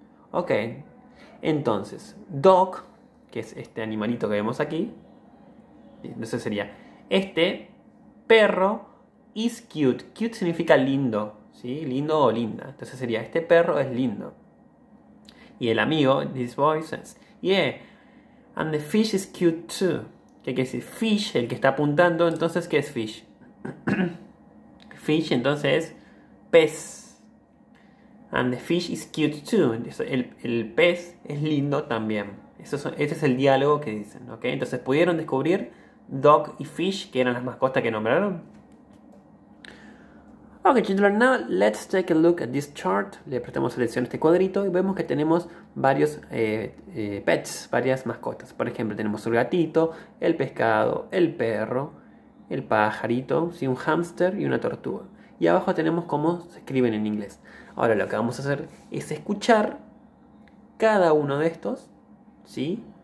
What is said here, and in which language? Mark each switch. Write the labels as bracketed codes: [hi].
[es] Ok, entonces dog, que es este animalito que vemos aquí, entonces sería este perro [en] is cute. [es] Cute significa lindo, ¿sí? Lindo o linda. Entonces sería este perro es lindo. Y el amigo, [en] this boy, says yeah, and the fish is cute too. [es] ¿Qué quiere decir? Fish, el que está apuntando. Entonces, ¿qué es fish? Fish, entonces, pez. [en] And the fish is cute too. [es] El pez es lindo también. Ese es el diálogo que dicen, ¿ok? Entonces, ¿pudieron descubrir dog y fish, que eran las mascotas que nombraron? [en] Ok, children, now let's take a look at this chart. [es] Le prestamos atención a este cuadrito y vemos que tenemos varios pets, varias mascotas. Por ejemplo, tenemos el gatito, el pescado, el perro, el pajarito, ¿sí? Un hámster y una tortuga. Y abajo tenemos cómo se escriben en inglés. Ahora lo que vamos a hacer es escuchar cada uno de estos, ¿sí?